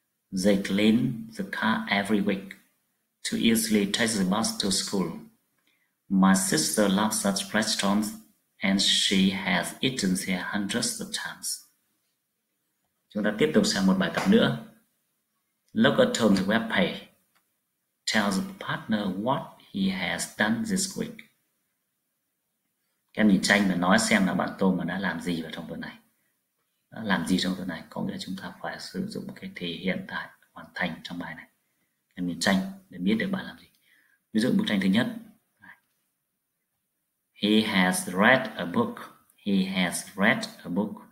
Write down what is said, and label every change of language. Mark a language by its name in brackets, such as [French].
[English] They clean the car every week to easily take the bus to school. My sister loves such restaurants and she has eaten there hundreds of times. [Vietnamese] Chúng ta tiếp tục sang một bài tập nữa. [English] Look at the web page. Tell the partner what he has done this week. [Vietnamese] Các em nhìn tranh và nói xem là bạn Tom đã làm gì vào trong tuần này. Làm gì trong tuần này có nghĩa chúng ta phải sử dụng cái thể hiện tại hoàn thành trong bài này. Em nhìn tranh để biết được bạn làm gì. Ví dụ bức tranh thứ nhất. [English] He has read a book. He has read a book.